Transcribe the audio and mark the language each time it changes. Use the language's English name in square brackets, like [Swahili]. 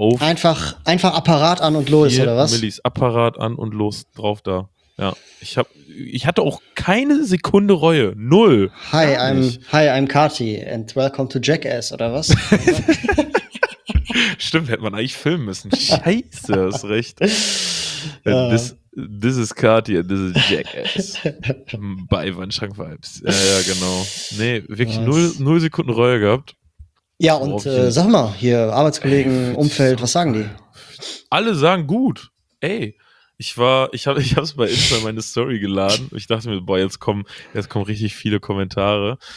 [German] Einfach Apparat an und los, oder was? Millis, Apparat an und los, drauf da. Ja, ich hatte auch keine Sekunde Reue, null. [English] Hi, I'm Kati and welcome to Jackass, [German] oder was? Stimmt, hätte man eigentlich filmen müssen. Scheiße, hast recht. Ja. [English] This is Kati and this is Jackass. [German] Bei Wandschrank-Vibes. Ja, genau. Nee, wirklich null Sekunden Reue gehabt. Ja, und sag mal, hier Arbeitskollegen, ey, Umfeld, was sagen die? Alle sagen gut. Ey, ich hab's bei Insta meine Story geladen. Ich dachte mir, boah, jetzt kommen richtig viele Kommentare.